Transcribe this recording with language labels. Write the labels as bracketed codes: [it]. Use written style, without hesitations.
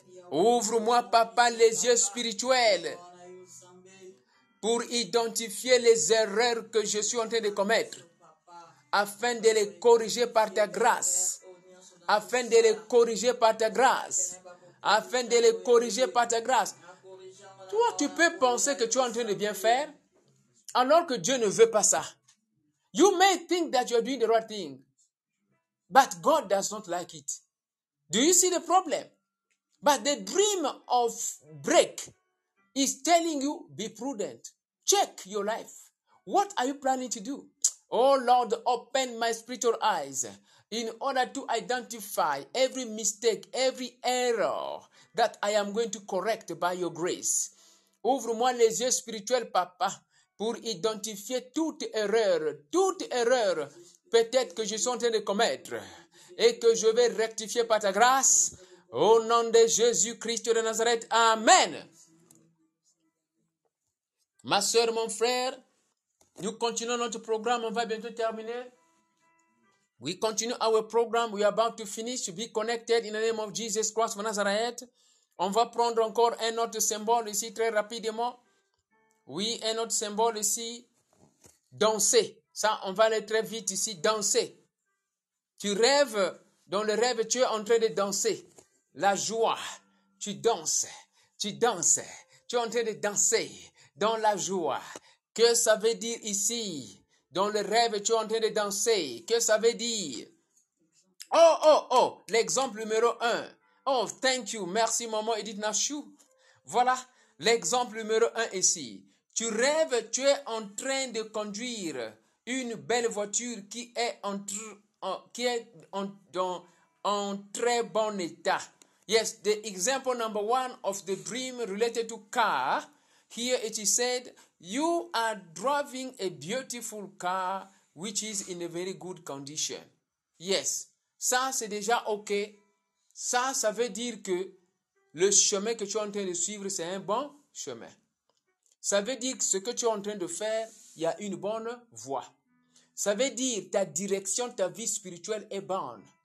[fr] Ouvre-moi, Papa, les yeux spirituels pour identifier les erreurs que je suis en train de commettre afin de les corriger par ta grâce. Afin de les corriger par ta grâce. Afin de les corriger par ta grâce. Toi, tu peux penser que tu es en train de bien faire alors que Dieu ne veut pas ça. [en] You may think that you're doing the right thing, but God does not like it. Do you see the problem? But the dream of break is telling you, be prudent. Check your life. What are you planning to do? Oh Lord, open my spiritual eyes in order to identify every mistake, every error that I am going to correct by your grace. [fr] Ouvre-moi les yeux spirituels, Papa, pour identifier toute erreur peut-être que je suis en train de commettre. Et que je vais rectifier par ta grâce, au nom de Jésus-Christ de Nazareth. Amen. Ma soeur, mon frère, nous continuons notre programme, on va bientôt terminer. [en] We continue our program, we are about to finish, be connected in the name of Jesus Christ of Nazareth. [fr] On va prendre encore un autre symbole ici, très rapidement. Oui, un autre symbole ici, danser. Ça, on va aller très vite ici, danser. Tu rêves, dans le rêve, tu es en train de danser. La joie, tu danses, tu es en train de danser dans la joie. Que ça veut dire ici? Dans le rêve, tu es en train de danser. Que ça veut dire? Oh, l'exemple numéro 1. [en] Oh, thank you, [fr] merci maman Edith Nashu. Voilà, l'exemple numéro 1 ici. Tu rêves, tu es en train de conduire une belle voiture qui est en très bon état. [en] Yes, the example number one of the dream related to car. Here it is said, you are driving a beautiful car which is in a very good condition. [fr] Yes, ça c'est déjà ok. Ça veut dire que le chemin que tu es en train de suivre, c'est un bon chemin. Ça veut dire que ce que tu es en train de faire, il y a une bonne voie. Ça veut dire ta direction, ta vie spirituelle est bonne.